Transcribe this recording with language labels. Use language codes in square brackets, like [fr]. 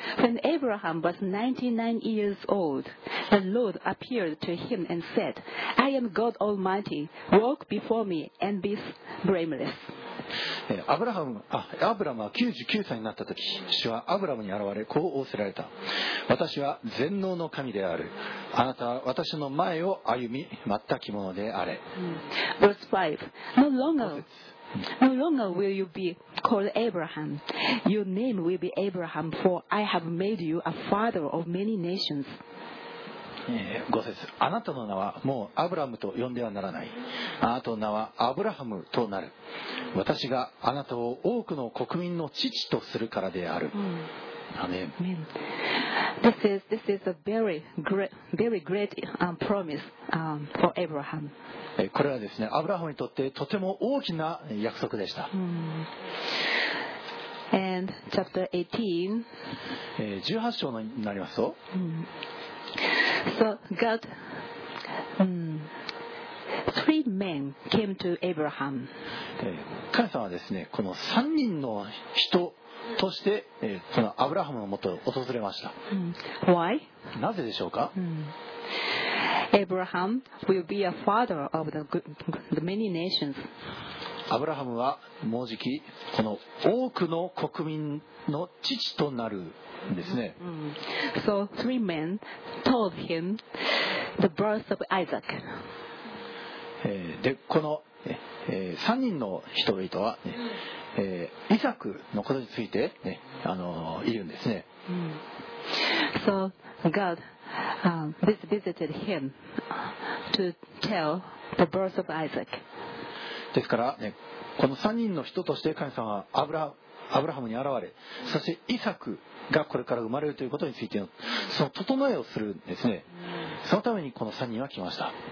[en] When Abraham was 99 years old, the Lord appeared to him and said, I am God Almighty, walk before me and be blameless. [ja] アブラムは99歳になったとき、主はアブラムに現れ、こう仰せられた。私は全能の神である。あなたは私の前を歩み、全きものであれ。 [en] Verse 5. No longer will you be called Abraham. Your name will be Abraham, for I have made you a father of many nations. [ja] 5節。あなたの名はもうアブラムと呼んではならない。あなたの名はアブラハムとなる。私があなたを多くの国民の父とするからである。 [en] Amen. This is a very great promise for Abraham. [ja] これはですね、アブラハムにとってとても大きな約束でした。 [en] And chapter 18. [ja] 18章になりますと。 [en] So God, three men came to Abraham. [ja] カイさんはですね、この3人の人としてそのアブラハムのもとを訪れました。 [en] Why? [ja] なぜでしょうか？ [en] Abraham will be a father of the many nations. [ja] アブラハムはもうじきこの多くの国民の父となるんですね。 [en] So three men told him the birth of Isaac. [ja] でこの3人の人々は、ね、イサクのことについて、ね、いるんですね。 [en] So God visited him to tell the birth of Isaac. [ja] ですから、ね、この3人の人として神様はアブラハムに現れ、そしてイサクがこれから生まれるということについてのその整えをするんですね。そのためにこの3人は来ました。